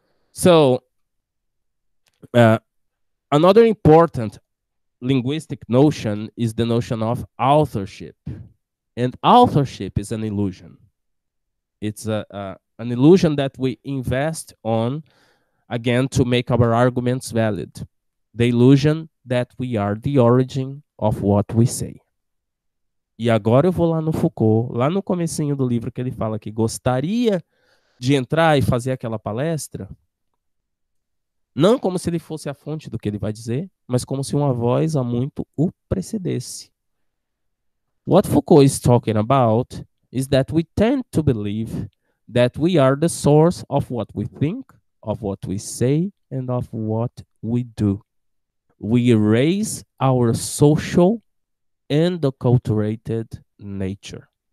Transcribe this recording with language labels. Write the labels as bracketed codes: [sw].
[en] So, another important linguistic notion is the notion of authorship. And authorship is an illusion. It's an illusion that we invest on, again, to make our arguments valid. The illusion that we are the origin of what we say. [pt] E agora eu vou lá no Foucault, lá no comecinho do livro que ele fala que gostaria de entrar e fazer aquela palestra. Não como se ele fosse a fonte do que ele vai dizer, mas como se uma voz há muito o precedesse. [en] What Foucault is talking about is that we tend to believe that we are the source of what we think, of what we say, and of what we do. We erase our social and acculturated nature.